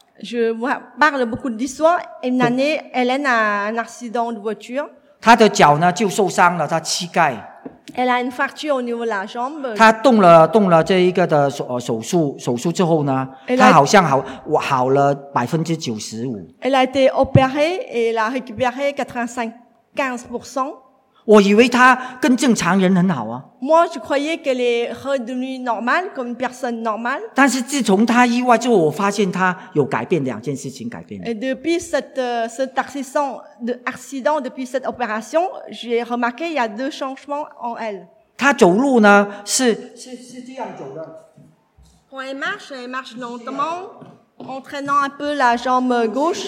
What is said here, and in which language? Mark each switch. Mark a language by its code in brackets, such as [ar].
[fr] Je vous parle beaucoup d'histoire. Une année, Ellen a un accident de voiture. [zh] 他的脚呢就受伤了，他膝盖。 [fr] Elle a une fracture au niveau de la jambe. [zh] 他动了这一个的手术之后呢，他好像好了 95%。 [fr] Elle a été opérée et elle a récupéré 95%. [zh] 我以为他跟正常人很好啊。 [fr] Moi, je croyais qu'elle est redevenue normale, comme une personne normale. [zh] 但是自从他意外之后，我发现他有改变，两件事情改变。 [fr] Et depuis cet accident, depuis cette opération, j'ai remarqué qu'il y a deux changements en elle. [zh] 他走路呢是这样走的。 [fr] Quand elle marche lentement, entraînant un peu la jambe gauche.